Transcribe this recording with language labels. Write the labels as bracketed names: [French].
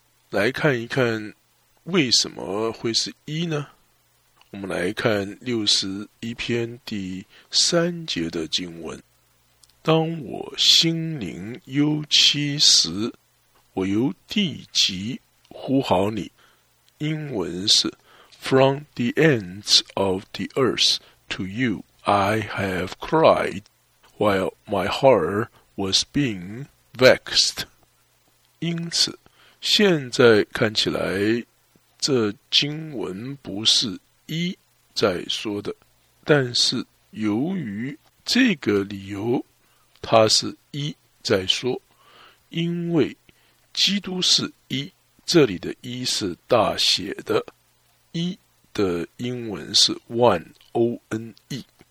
[Chinese] 来看一看为什么会是一呢？我们来看61篇第三节的经文。当我心灵忧戚时，我由地极呼号你。英文是 [English] From the ends of the earth to you I have cried while my heart was being vexed. [Chinese] 因此现在看起来这经文不是一在说的，但是由于这个理由它是一在说，因为基督是一，这里的一是大写的，一的英文是 one, O-N-E,